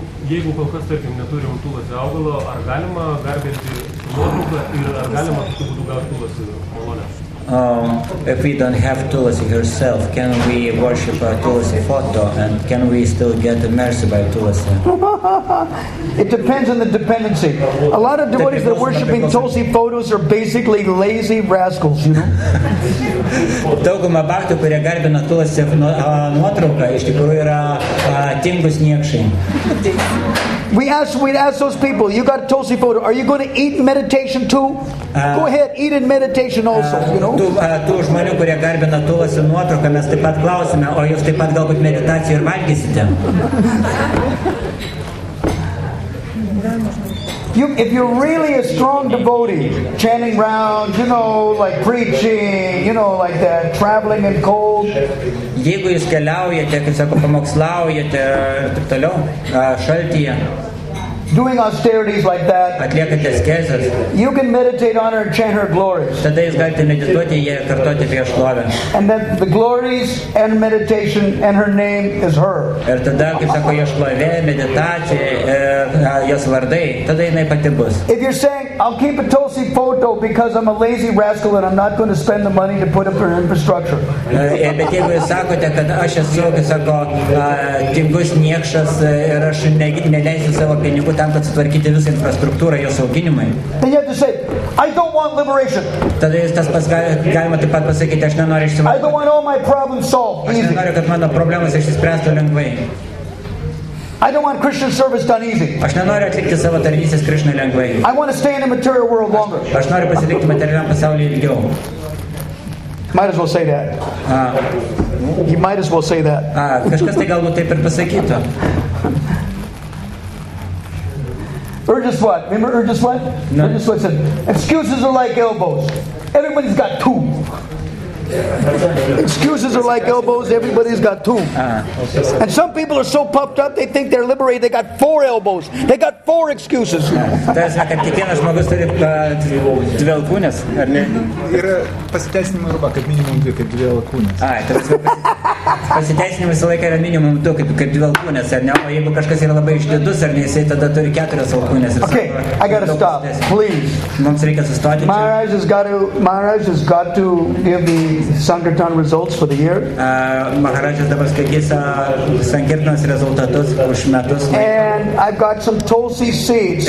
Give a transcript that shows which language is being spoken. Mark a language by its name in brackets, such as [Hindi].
[Lithuanian] Jeigu kol kas tarkim neturim tulasi augalo, ar galima garbinti nuotrauką ir ar galima tokiu būdu gauti tulasi malonę? [English] If we don't have Tulasi herself, can we worship a Tulasi photo and can we still get the mercy by Tulasi? It depends on the dependency. A lot of devotees that are worshiping Tulasi photos are basically lazy rascals, you know? [Lithuanian] Dauguma bhaktų, kurie garbina Tulasi nuotrauką, iš tikrųjų yra tingus niekšai. [English] We'd ask those people, you got a Tulsi photo, are you going to eat in meditation too? Go ahead, eat in meditation also, you know? [Lithuanian] Tų žmonių, kurie garbina Tulsi nuotrauką, mes taip pat klausime, o jūs taip pat galbūt meditaciją ir valgysite? [English] If you're really a strong devotee, chanting round, you know, like preaching, you know, like that, traveling in cold. [Lithuanian] Jeigu jūs keliaujate, kaip sako, pamokslaujate, taip toliau, šaltyje. [English] Doing austerities like that. [Lithuanian] Atliekate askezes. [English] You can meditate on her and chant her glories. [Lithuanian] Tada jūs galite medituoti ir kartoti apie šlovę. [English] And then the glories and meditation and her name is her. [Lithuanian] Ir tada, kaip sako, jos šlovė, meditacija, jos vardai, tada jinai pati bus. [English] If you're saying, I'll keep a Tulsi photo because I'm a lazy rascal and I'm not going to spend the money to put up her infrastructure. [Lithuanian] Bet jeigu jūs sakote, kad aš esu, kaip sako, tingus niekšas ir aš neleisiu savo pinigų tam, kad sutvarkyti visą infrastruktūrą, jos auginimai. [English] Then you have to say, I don't want liberation. [Lithuanian] Tada jūs tas pas galima taip pat pasakyti, aš nenoriu išsivaduoti. [English] I don't want all my problems solved. [Lithuanian] Aš nenoriu, kad mano problemas išsispręstų lengvai. [English] I don't want Krishna service done easy. [Lithuanian] Aš nenoriu atlikti savo tarnystės Krishna lengvai. [English] I want to stay in the material world longer. [Lithuanian] Aš noriu pasilikti materialiam pasaulyje ilgiau. [English] Might as well say that. You might as well say that. [Lithuanian] Kažkas tai galbūt taip ir pasakytų. [English] Urjaswat, remember Urjaswat? No. Urjaswat said, excuses are like elbows. Everybody's got two. Excuses are like elbows, everybody's got two. And some people are so puffed up, they think they're liberated, they got four elbows. They got four excuses. [Lithuanian] Tai sakant, kiekvienas žmogus turi dvi alkūnės, ar ne? Yra pasiteisinimo arba, kaip minimum dvi, kaip dvi alkūnės. Pasiteisinimas visą laiką yra minimum du, kaip dvi alkūnės, ar ne? O jeigu kažkas yra labai išdidus, ar ne, jisai tada turi keturias alkūnės. [English] Ok, I gotta stop, please. [Lithuanian] Mums reikia sustoti. [English] Maharaj has got to give me Sankirtan results for the year. [Lithuanian] Maharajas dabar skaitys Sankirtanos rezultatus už metus. [English] And I've got some Tulsi seeds.